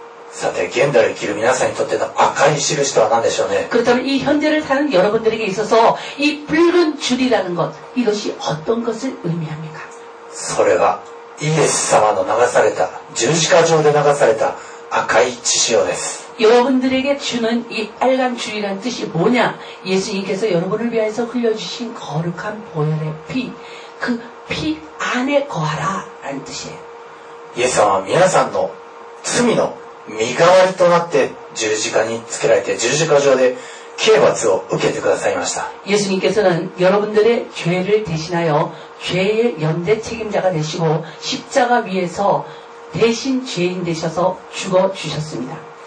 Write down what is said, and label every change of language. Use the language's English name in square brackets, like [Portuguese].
[Japanese] さて現代を生きる皆さんにとっての赤い印とは何でしょうね。 [Korean] 그렇다면이현재를사는여러분들에게있어서이붉은줄이라는것이것이어떤것을의미합니까。 [Japanese] それはイエス様の流された十字架上で流された赤い血潮です。 [Korean] 여러분들에게 주는 이 빨간 줄이란 뜻이 뭐냐? 예수님께서 여러분을 위해서 흘려주신 거룩한 보혈의 피, 그 피 안에 거하라 라는 뜻이에요. [Japanese] 예수様は皆さんの罪の身代わりとなって十字架につけられて十字架上で刑罰を受けてくださいました。 [Korean] 예수님께서는 여러분들의 죄를 대신하여 죄의 연대 책임자가 되시고 십자가 위에서 대신 죄인 되셔서 죽어 주셨습니다.